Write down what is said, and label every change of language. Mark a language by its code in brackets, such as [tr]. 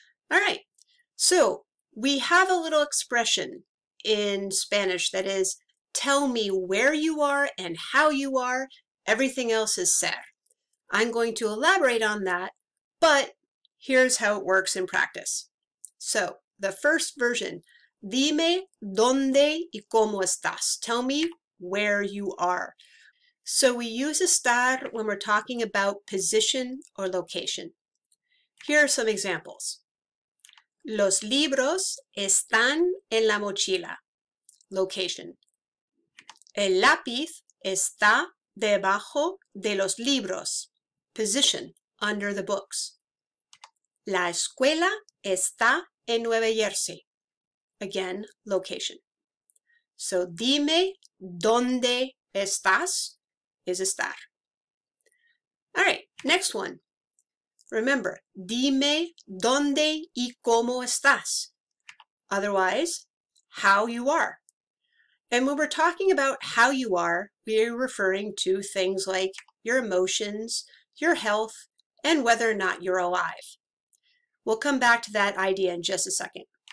[en] All right, so we have a little expression in Spanish that is, tell me where you are and how you are. Everything else is ser. I'm going to elaborate on that, but here's how it works in practice. So the first version, [es] dime dónde y cómo estás. [en] Tell me where you are. So we use estar when we're talking about position or location. Here are some examples. [es] Los libros están en la mochila. [en] Location. [es] El lápiz está debajo de los libros. [en] Position, under the books. [es] La escuela está en Nueva Jersey. [en] Again, location. So, [es] dime dónde estás [en] is estar. All right, next one. Remember, [es] dime dónde y cómo estás. [en] Otherwise, how you are. And when we're talking about how you are, we're referring to things like your emotions, your health, and whether or not you're alive. We'll come back to that idea in just a second.